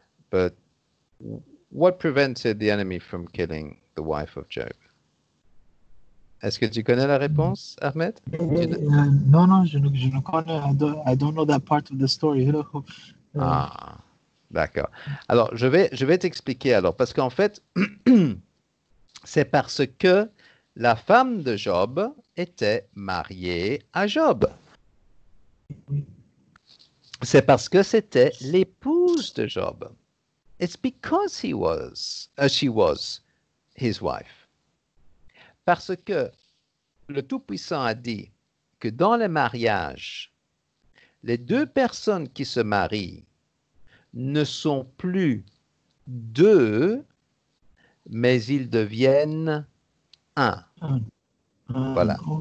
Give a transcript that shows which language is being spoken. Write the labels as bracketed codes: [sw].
[en] But what prevented the enemy from killing the wife of Job? [fr] Est-ce que tu connais la réponse, Ahmed? Non, je ne connais. [en] I don't know that part of the story. [fr] Ah, d'accord. Alors, je vais t'expliquer alors, parce qu'en fait, c'est parce que la femme de Job était mariée à Job. C'est parce que c'était l'épouse de Job. [en] It's because he was, she was his wife. [fr] Parce que le Tout-Puissant a dit que dans le mariage, les deux personnes qui se marient ne sont plus deux, mais ils deviennent un. Voilà.